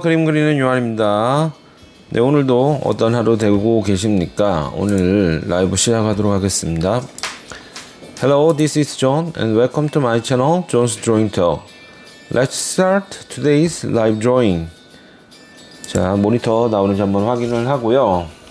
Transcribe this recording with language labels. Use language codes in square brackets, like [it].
[ko] 그림 그리는 요한입니다. 네, 오늘도 어떤 하루 되고 계십니까? 오늘 라이브 시작하도록 하겠습니다. [en] Hello, this is John and welcome to my channel, John's Drawing Talk. Let's start today's live drawing. [ko] 자, 모니터 나오는지 한번 확인을 하고요.